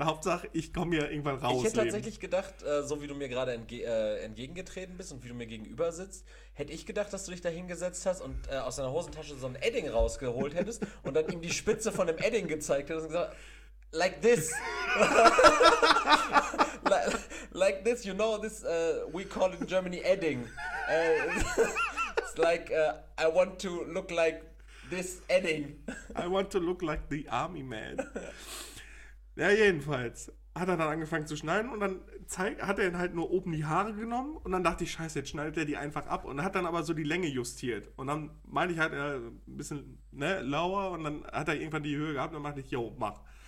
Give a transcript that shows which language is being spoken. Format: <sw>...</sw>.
<de>Hauptsache, ich komme hier irgendwann raus. Ich hätte tatsächlich gedacht, so wie du mir gerade entgegengetreten bist und wie du mir gegenüber sitzt, hätte ich gedacht, dass du dich da hingesetzt hast und aus deiner Hosentasche so ein Edding rausgeholt hättest und dann ihm die Spitze von dem Edding gezeigt hättest und gesagt,</de> <en>like this. like this, you know, this, we call in Germany Edding. It's like, I want to look like this Edding. I want to look like the army man.</en> <de>Ja, jedenfalls hat er dann angefangen zu schneiden und dann hat er ihn halt nur oben die Haare genommen und dann dachte ich, scheiße, jetzt schneidet er die einfach ab und hat dann aber so die Länge justiert. Und dann meinte ich halt, ein bisschen, ne, lauer und dann hat er irgendwann die Höhe gehabt und dann dachte ich, yo, mach.</de>